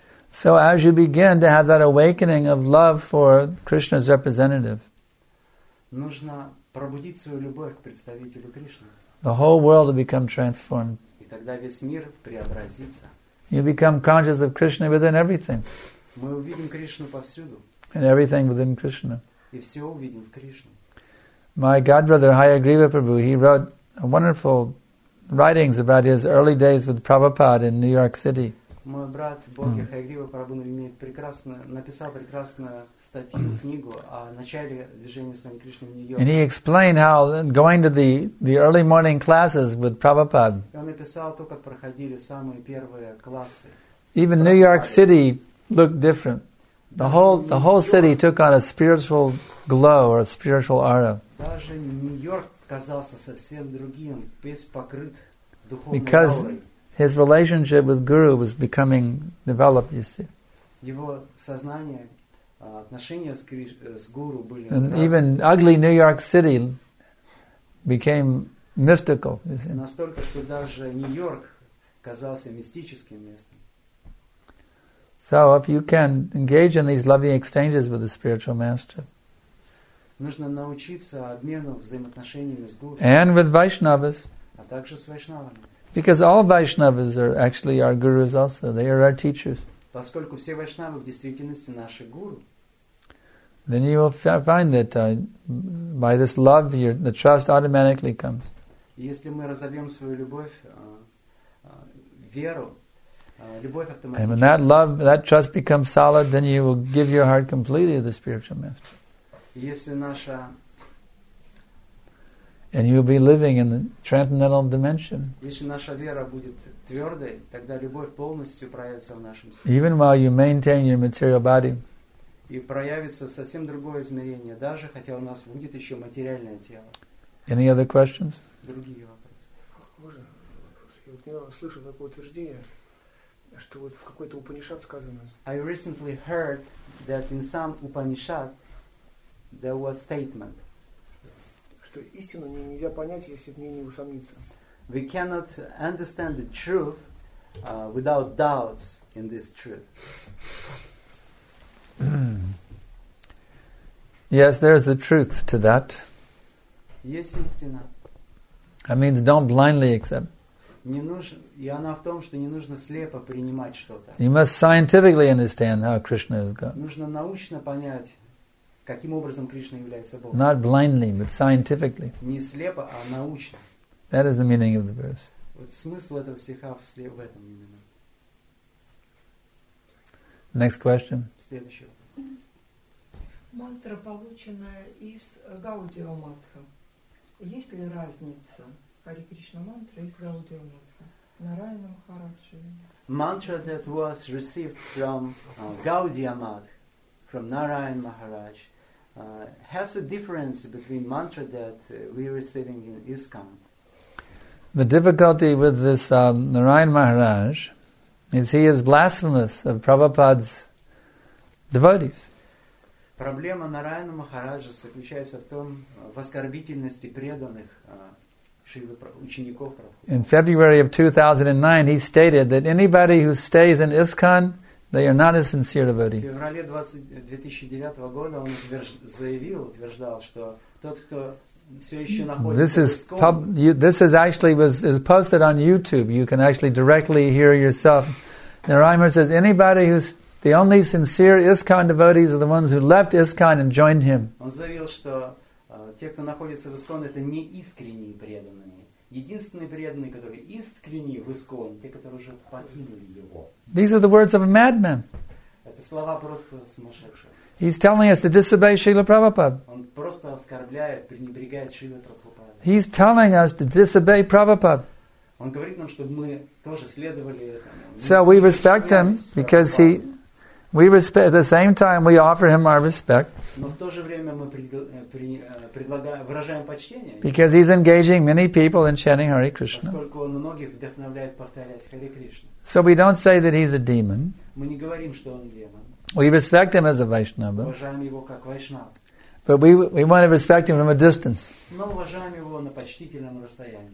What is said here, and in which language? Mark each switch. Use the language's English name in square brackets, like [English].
[English] So as you begin to have that awakening of love for Krishna's representative, [Russian] нужно пробудить свою любовь к представителю Кришны. [English] The whole world will become transformed. [Russian] И тогда весь мир преобразится. [English] You become conscious of Krishna within everything. [Russian] Мы увидим Кришну повсюду. [English] And everything within Krishna. [Russian] И все увидим в Кришне. [English] My godbrother Hayagriva Prabhu, he wrote wonderful writings about his early days with Prabhupada in New York City. [Russian] Мой брат Боги Хайгрива Прабу написал прекрасную статью, книгу о начале движения Сани Кришны в Нью-Йорке. [English] And he explained how going to the early morning classes with Prabhupada. [Russian] Он написал то, как проходили самые первые классы. [English] Even New York City looked different. The whole city took on a spiritual glow or a spiritual aura. [Russian] Даже Нью-Йорк казался совсем другим, весь покрыт духовной аурой. [English] His relationship with Guru was becoming developed, you see. [Russian] Его сознание, отношения с Гуру были. [English] And even ugly New York City became mystical, you see. [Russian] Настолько, что даже Нью-Йорк казался мистическим местом. [English] So if you can engage in these loving exchanges with the spiritual master, [Russian] нужно научиться обмену взаимоотношениями с Гуру. [English] And with Vaishnavas. [Russian] А также с Вайшнавами. [English] Because all Vaishnavas are actually our gurus also. They are our teachers. [Russian] Поскольку все вайшнавы в действительности наши гуру. [English] Then you will find that by this love, the trust automatically comes. [Russian] Если мы разовьем свою любовь, веру, любовь автоматически. [English] And when that love, that trust becomes solid, then you will give your heart completely to the spiritual master. [Russian] Если наша [English] And you'll be living in the transcendental dimension. [Russian] Если наша вера будет твердой, тогда любовь полностью проявится в нашем сердце. [English] Even while you maintain your material body. [Russian] И проявится совсем другое измерение, даже хотя у нас будет еще материальное тело. [English] Any other questions? [Russian] Другие вопросы. Я слышал такое утверждение, что вот в какой-то Упанишад сказано. [English] I recently heard that in some Upanishad there was statement. [Russian] Что истину нельзя понять, если в ней не усомниться. [English] We cannot understand the truth without doubts in this truth. Yes, there is the truth to that. [Russian] Есть истина. [English] That means don't blindly accept. [Russian] Не нужно, и она в том, что не нужно слепо принимать что-то. [English] You must scientifically understand how Krishna is God. [Russian] Нужно научно понять. Каким образом Кришна является Богом? [English] Not blindly, but scientifically. [Russian] Не слепо, а научно. [English] That is the meaning of the verse. [Russian] Вот смысл этого стиха в этом именно. [English] Next question. [Russian] Следующий вопрос. Мантра, полученная из Гаудия Матха. Есть ли разница Хари Кришна мантра из Гаудия Матха? Нараяна Махараджа. [English] Mantra that was received from Gaudiya Math, from Narayana Maharaj, has a difference between mantra that we're receiving in ISKCON. The difficulty with this Narayana Maharaj is he is blasphemous of Prabhupada's devotees. [Russian] Проблема Нараяна Махараджа заключается в том, в оскорбительности преданных Шрилы, учеников Прабхупады. [English] In February of 2009, he stated that anybody who stays in ISKCON, they are not a sincere devotee. [Russian] В феврале 2009 года он утверждал, что тот, кто все еще находится в ISKCON... [English] This is posted on YouTube. You can actually directly hear yourself. Narayana says, anybody who's... The only sincere ISKCON devotees are the ones who left ISKCON and joined him. [Russian] Он заявил, что те, кто находится в ISKCON, это не искренние преданные. Единственные преданные, которые искренне в ИСКОН, те, которые уже покинули его. [English] These are the words of a madman. [Russian] Это слова просто сумасшедших. [English] He's telling us to disobey Srila Prabhupada. [Russian] Он просто оскорбляет, пренебрегает Шрилой Прабхупадой. [English] He's telling us to disobey Prabhupada. [Russian] Он говорит нам, чтобы мы тоже следовали этому. [English] So we respect him because he, we respect. At the same time, we offer him our respect. [Russian] Но в то же время мы предлагаем, выражаем почтение. [English] Because he's engaging many people in chanting Hare Krishna. [Russian] Поскольку он многих вдохновляет повторять Hare Krishna. [English] So we don't say that he's a demon. [Russian] Мы не говорим, что он демон. [English] We respect him as a Vaishnava. [Russian] Уважаем его как Вайшнава. [English] But we want to respect him from a distance. [Russian] Мы уважаем его на почтительном расстоянии.